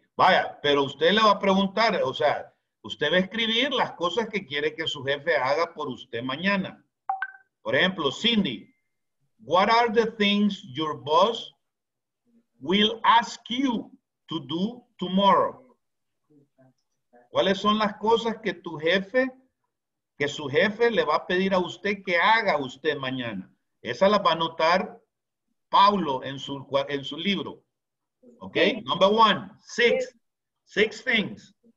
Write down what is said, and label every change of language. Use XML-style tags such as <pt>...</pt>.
<es>Vaya, pero usted le va a preguntar, o sea, usted va a escribir las cosas que quiere que su jefe haga por usted mañana. Por ejemplo,</es> <en>Cindy, what are the things your boss will ask you to do tomorrow?</en> <es>¿Cuáles son las cosas que tu jefe, que su jefe le va a pedir a usted que haga usted mañana? Esa la va a anotar Paulo en su libro.</es> <en>Okay, number one, six things.</en>